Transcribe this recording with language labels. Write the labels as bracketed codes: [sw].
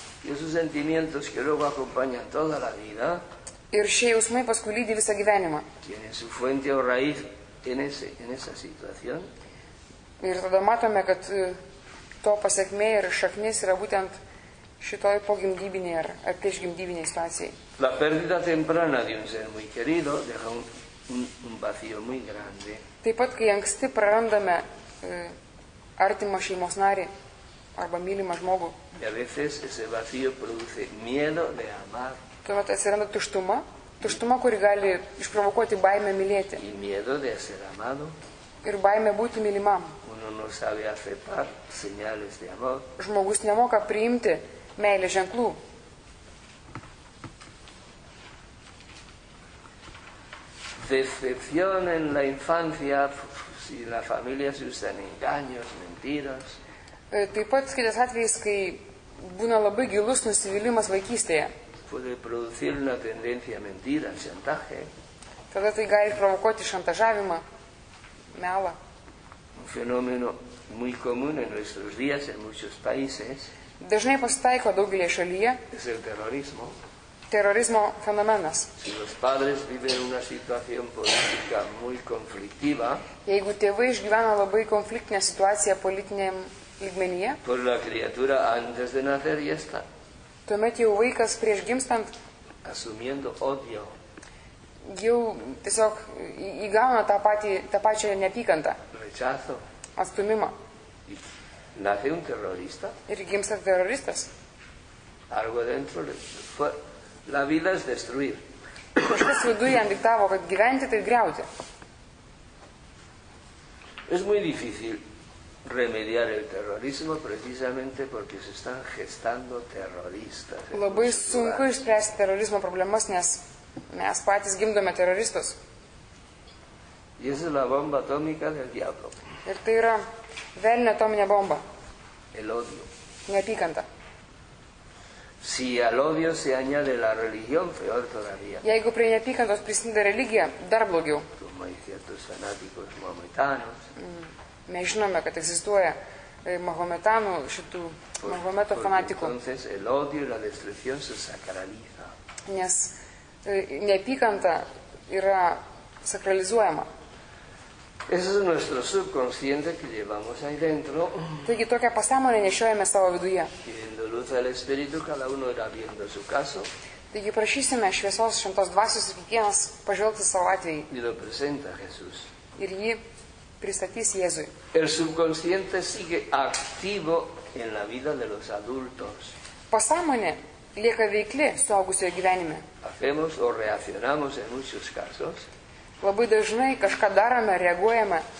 [lt] Ir šie jausmai paskui lydi visą gyvenimą. Ir tada matome, kad to pasekmė ir šaknis yra būtent šitoj pogimdybinėje ar priešgimdybinėje situacijoje. [es] La pérdida temprana de un ser muy querido deja un vacío muy grande. [lt] Taip pat, kai anksti prarandame artimą šeimos narį arba mylimą žmogų. [es] Y a veces ese vacío produce miedo de amar. [lt] Tuomet atsiranda tuštuma, tuštuma, kuri gali išprovokuoti baimę mylėti. [es] Y miedo de ser amado. [lt] Ir baimė būti mylimam. [es] Uno no sabe aceptar señales de amor. [lt] Žmogus nemoka priimti meilės ženklų. [es] Decepción en la infancia, si la familia se usa en engaños, mentiras. [lt] Taip pat kitas atvejis, kai būna labai gilus nusivylimas vaikystėje. [es] Puede producir una tendencia a mentiras, chantaje. [lt] Tada tai gali provokuoti šantažavimą, melą. [es] Un fenómeno muy común en nuestros días en muchos países. [lt] Dažnai pasitaiko daugelyje šalyje. [es] Es el terrorismo. [lt] Terrorismo fenomenas. [es] Si los padres viven una situación política muy conflictiva, [lt] jeigu tėvai išgyvena labai konfliktinę situaciją politiniam lygmenyje, [es] por la criatura antes de nacer ya está. [lt] Tuomet jau vaikas prieš gimstant [es] asumiendo odio. [lt] Jau tiesiog įgauna tą pačią neapykantą. [es] Rechazo. [lt] Atstumimą. [es] Nace un terrorista. [lt] Ir gimsta teroristas. [es] Algo dentro de... La vida es destruir. [lt] Kažkas vidu jam diktavo, kad gyventi tai griauti. [es] Es muy difícil remediar el terrorismo precisamente porque se están gestando terroristas. [lt] Labai sunku išspręsti terorizmo problemas, nes mes patys gimdome teroristus. [es] Y esa es la bomba atómica del diablo. [lt] Ir tai yra velnio atominė bomba. [es] El odio. [lt] Neapykanta. [es] Si al odio se añade la religión, peor todavía. [lt] Jeigu prie neapykantos prisideda religija, dar blogiau. [es] Como hay ciertos fanáticos mahometanos. [lt] Mes žinome, kad egzistuoja mahometanų, šitų mahometo fanatikų. [es] Entonces el odio y la destrucción se sacraliza. [lt] Nes neapykanta yra sakralizuojama. [es] Ese es nuestro subconsciente que llevamos ahí dentro. [lt] Taigi tokia pasąmonė nešiojame savo viduje. [es] Queriendo luz al espíritu, cada uno irá viendo su caso. [lt] Taigi prašysime šviesos šventos dvasios, kiekvienas pažvelgti savo atvejį. [es] Y lo presenta Jesús. [lt] Ir jį pristatys Jėzui. [es] El subconsciente sigue activo en la vida de los adultos. [lt] Pasąmonė lieka veikli suaugusiojo gyvenime. [es] Hacemos o reaccionamos en muchos casos. [lt] Labai dažnai kažką darome, reaguojame.